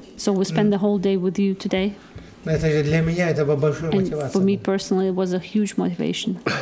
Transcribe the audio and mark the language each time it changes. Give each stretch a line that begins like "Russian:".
English: So we spend the whole day with you today.
Russian: Это же для меня это была большая мотивация.
English: And for me personally, it was a huge motivation.